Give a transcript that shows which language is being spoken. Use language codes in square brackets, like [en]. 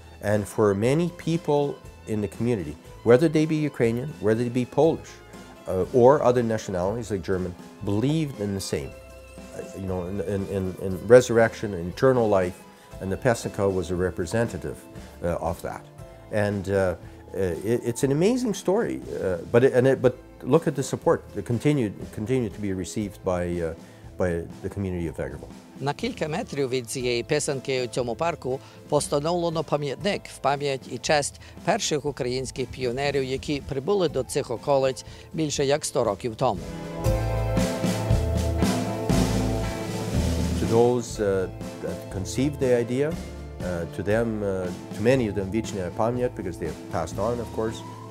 [en] And for many people in the community, whether they be Ukrainian, whether they be Polish, or other nationalities like German, believed in the same, in resurrection, in eternal life, and the Pysanka was a representative of that. And it's an amazing story, but look at the support that continued to be received by by the community of Vegreville. [uk] На кілька метрів від цієї писанки у цьому парку постановлено пам'ятник в пам'ять і честь перших українських піонерів, які прибули до цих околиць більше як 100 років тому. [en] To those that conceived the idea, to many of them [uk] вічна пам'ять, [en] because they have passed on, of course.